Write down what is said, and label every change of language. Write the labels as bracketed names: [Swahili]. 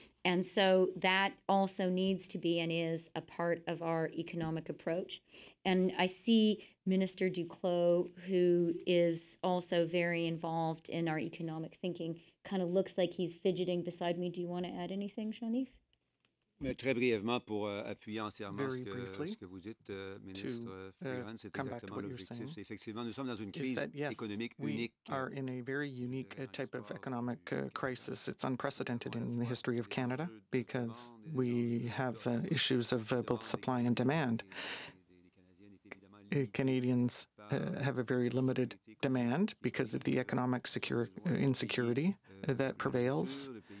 [English] And so that also needs to be and is a part of our economic approach. And I see Minister Duclos, who is also very involved in our economic thinking, kind of looks like he's fidgeting beside me. Do you want to add anything, Shanif? [French] Très brièvement pour appuyer entièrement ce que vous dites, ministre Freeland, c'est exactement l'objectif. C'est effectivement, nous sommes dans une crise économique unique. [English] We are in a very unique type of economic crisis. It's unprecedented in the history of Canada because we have issues of both supply and demand. Canadians have a very limited demand because of the economic insecurity that prevails.